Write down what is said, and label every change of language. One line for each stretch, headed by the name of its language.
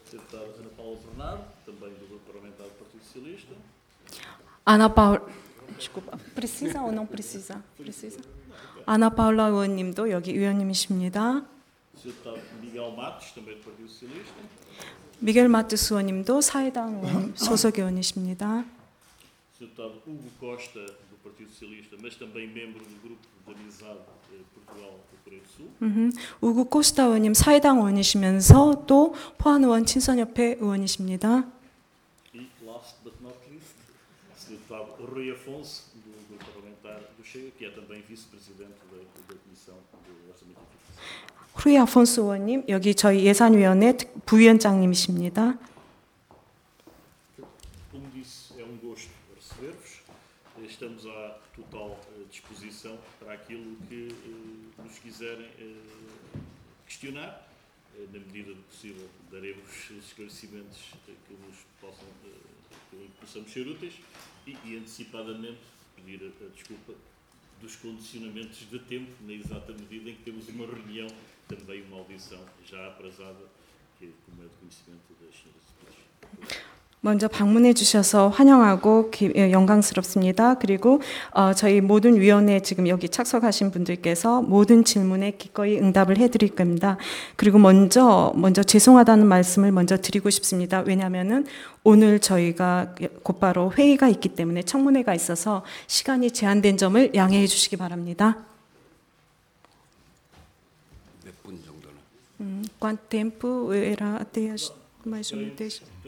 Portuguese: deputados Ana Paula Bernardo, também do Grupo Parlamentar do Partido Socialista. Ana Paula, desculpa, precisa ou não precisa? Precisa.
Korean: Ana Paula 의원님도 여기 의원님이십니다.
Portuguese: Deputado Miguel Matos, também do Partido Socialista.
Korean: Miguel Matos 의원님도 사회당 소속 의원이십니다.
Portuguese: Deputado Hugo Costa, do Partido Socialista, mas também membro do Grupo de Amizade Portugal do Coreia do Sul.
Korean: Hugo Costa 의원님 사회당 의원이시면서 또 포안 의원 친선협회 의원이십니다.
Portuguese: E
English: last but not least,
Portuguese: deputado Rui Afonso, do Grupo Parlamentar do Chega, que é também vice-presidente da Comissão de Orçamento e Finanças.
Korean: Rui Afonso 의원님, 여기 저희 예산위원회 부위원장님이십니다.
Portuguese: Como disse, é gosto receber-vos. Estamos à total disposição para aquilo que nos quiserem questionar. Na medida do possível, daremos os esclarecimentos que nos possam, possamos ser úteis. E antecipadamente, pedir a desculpa dos condicionamentos de tempo, na exata medida em que temos uma reunião, também uma audição já aprazada, que é como é de conhecimento das senhoras e senhores.
Korean: 먼저 방문해 주셔서 환영하고 영광스럽습니다. 그리고 저희 모든 위원회 지금 여기 착석하신 분들께서 모든 질문에 기꺼이 응답을 해드릴 겁니다. 그리고 먼저 죄송하다는 말씀을 먼저 드리고 싶습니다. 왜냐하면은 오늘 저희가 곧바로 회의가 있기 때문에 청문회가 있어서 시간이 제한된 점을 양해해 주시기 바랍니다. 몇 분 정도는?
Portuguese: Quanto tempo era até as mais ou menos?